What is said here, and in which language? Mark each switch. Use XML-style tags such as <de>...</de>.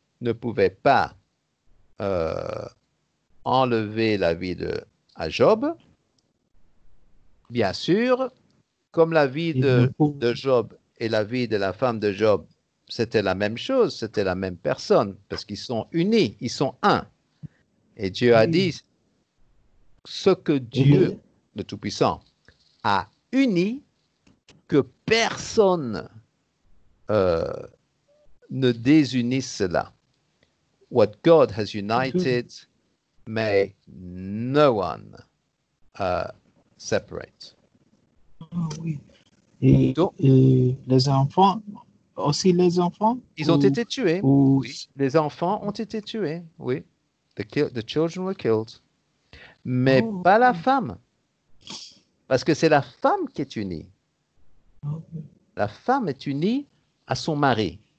<fr>ne pouvait pas enlever la vie de à Job, bien sûr, comme la vie de Job et la vie de la femme de Job, c'était la même chose, c'était la même personne, parce qu'ils sont unis, ils sont un. Et Dieu a dit, ce que Dieu, le Tout-Puissant, a uni, que personne ne désunisse cela.</fr> <en>What God has united, may no one separate.</en> <fr>Oui. Et, donc, et les enfants, aussi les enfants? Ils ont été tués. Oui. Les enfants ont été tués, oui.</fr> <en>The children were killed.</en> <fr>Mais pas la femme. Parce que c'est la femme qui est unie. La femme est unie à son mari.</fr>